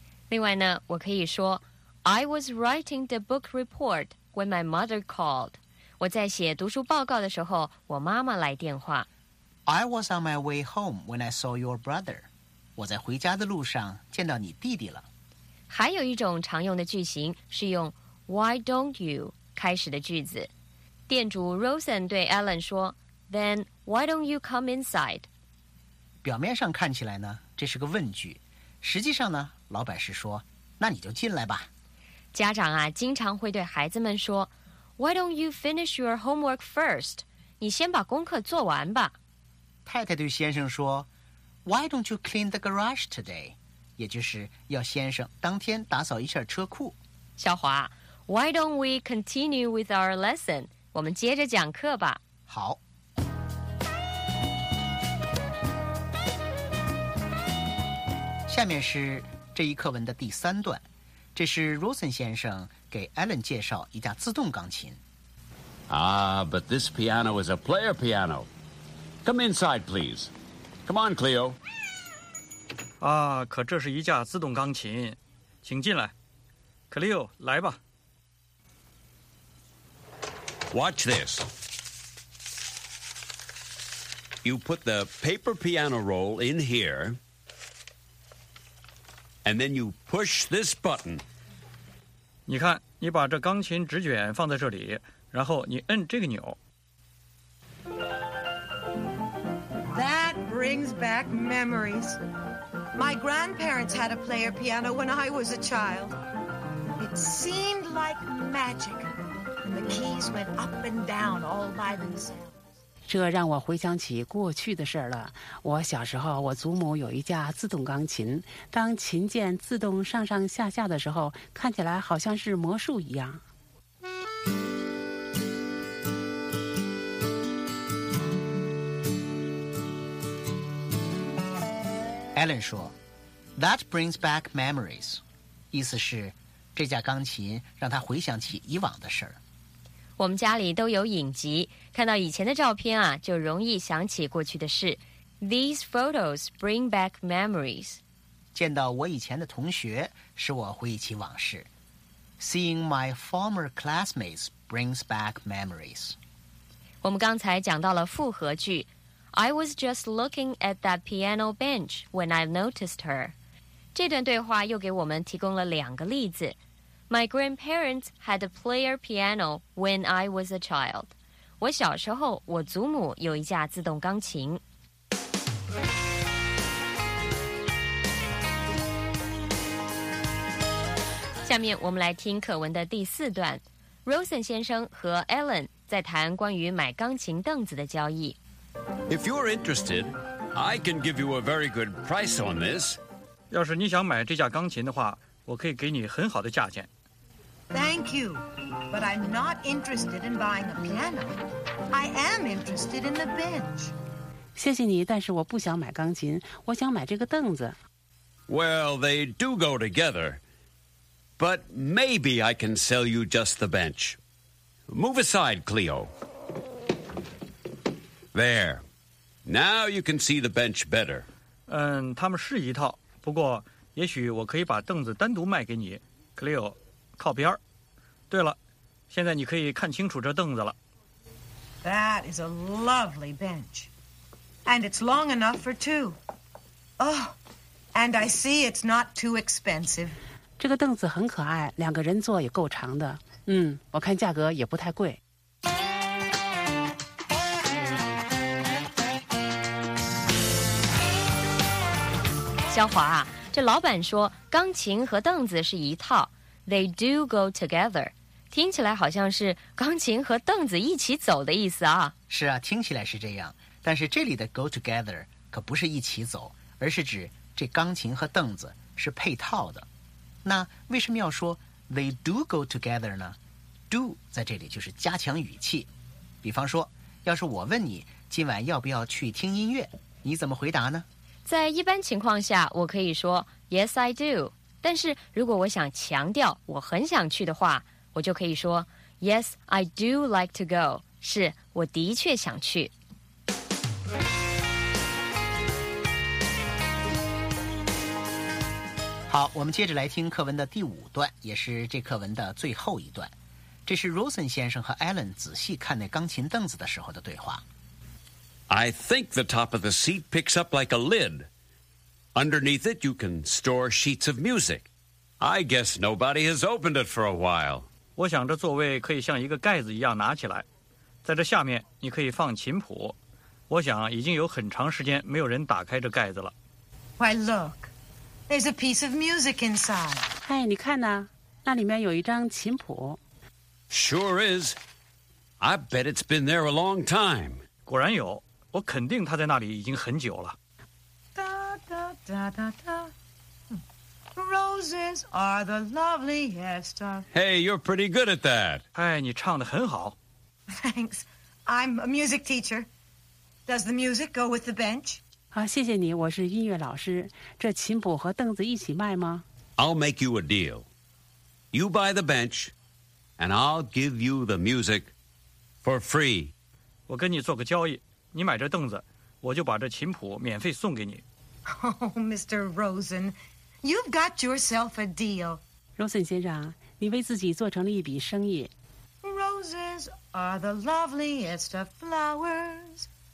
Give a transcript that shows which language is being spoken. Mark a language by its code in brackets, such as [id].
[zh] 另外呢，我可以说 [en] I was writing the book report when my mother called. [zh] 我在写读书报告的时候，我妈妈来电话。 [en] I was on my way home when I saw your brother. [zh] 我在回家的路上见到你弟弟了。还有一种常用的句型是用 [en] Why don't you [zh] 开始的句子。店主 Rosen 对 Alan 说 [en] Then why don't you come inside? [zh] 表面上看起来呢，这是个问句。实际上呢，老板是说那你就进来吧。家长啊，经常会对孩子们说 [en] Why don't you finish your homework first? [zh] 你先把功课做完吧。太太对先生说 [en] Why don't you clean the garage today? [zh] 也就是要先生当天打扫一下车库。 [en] 小华 Why don't we continue with our lesson? [zh] 我们接着讲课吧。好。下面是这一课文的第三段。这是 Rosen 先生给 Alan 介绍一架自动钢琴。 [en] Ah, but this piano is a player piano. Come inside, please. Come on, Cleo. [zh] 啊，可这是一架自动钢琴，请进来。 Cleo, 来吧。 [en] Watch this. You put the paper piano roll in here, and then you push this button. [zh] 你看，你把这钢琴纸卷放在这里，然后你摁这个钮。 [en] That brings back memories. My grandparents had a player piano when I was a child. It seemed like magic. The keys went up and down all by themselves. [zh] 这让我回想起过去的事了。我小时候，我祖母有一架自动钢琴，当琴键自动上上下下的时候，看起来好像是魔术一样。 Alan 说 [en] That brings back memories. [zh] 意思是这架钢琴让他回想起以往的事。我们家里都有影集，看到以前的照片啊，就容易想起过去的事。 [en] These photos bring back memories. [zh] 见到我以前的同学，使我回忆起往事。 [en] Seeing my former classmates brings back memories. [zh] 我们刚才讲到了复合句。 [en] I was just looking at that piano bench when I noticed her. [zh] 这段对话又给我们提供了两个例子。 [en] My grandparents had a player piano when I was a child. [zh] 我小时候，我祖母有一架自动钢琴。下面我们来听课文的第四段。Rosen 先生和 Alan 在谈关于买钢琴凳子的交易。 [en] If you're interested, I can give you a very good price on this. [zh] 要是你想买这架钢琴的话，我可以给你很好的价钱。 [en] Thank you, but I'm not interested in buying a piano. I am interested in the bench. [zh] 谢谢你，但是我不想买钢琴，我想买这个凳子。 [en] Well, they do go together, but maybe I can sell you just the bench. Move aside, Cleo. There. Now you can see the bench better. [zh] 嗯，他们是一套，不过也许我可以把凳子单独卖给你。 Cleo， 靠边。对了，现在你可以看清楚这凳子了。 [en] That is a lovely bench. And it's long enough for two. Oh, and I see it's not too expensive. [zh] 这个凳子很可爱，两个人坐也够长的。嗯，我看价格也不太贵。肖华啊，这老板说钢琴和凳子是一套， [en] They do go together， [zh] 听起来好像是钢琴和凳子一起走的意思啊。是啊，听起来是这样，但是这里的 [en] go together [zh] 可不是一起走，而是指这钢琴和凳子是配套的。那为什么要说 [en] They do go together [zh] 呢？ Do 在这里就是加强语气。比方说，要是我问你今晚要不要去听音乐，你怎么回答呢？在一般情况下我可以说 [en] Yes, I do， [zh] 但是如果我想强调我很想去的话，我就可以说 [en] Yes, I do like to go， [zh] 是我的确想去。好，我们接着来听课文的第五段，也是这课文的最后一段。这是 Rosen 先生和 Alan 仔细看那钢琴凳子的时候的对话。 [en] I think the top of the seat picks up like a lid. Underneath it, you can store sheets of music. I guess nobody has opened it for a while. [zh] 我想这座位可以像一个盖子一样拿起来，在这下面你可以放琴谱。我想已经有很长时间没有人打开这盖子了。 [en] Why look? There's a piece of music inside. [zh] 哎，你看呢？那里面有一张琴谱。 [en] Sure is. I bet it's been there a long time. [zh] 果然有，我肯定他在那里已经很久了。 [en] 哒哒哒哒哒 ，Roses are the loveliest of. Hey, you're pretty good at that. [zh] 哎，你唱得很好。 [en] Thanks, I'm a music teacher. Does the music go with the bench? [zh] 好，谢谢你，我是音乐老师。这琴谱和凳子一起卖吗 [en] ？I'll make you a deal. You buy the bench, and I'll give you the music for free. [zh] 我跟你做个交易，你买这凳子，我就把这琴谱免费送给你。 [en] Oh, Mr. Rosen, you've got yourself a deal. [zh] Rosen 先生，你为自己做成了一笔生意。 [en] Roses are the loveliest of flowers.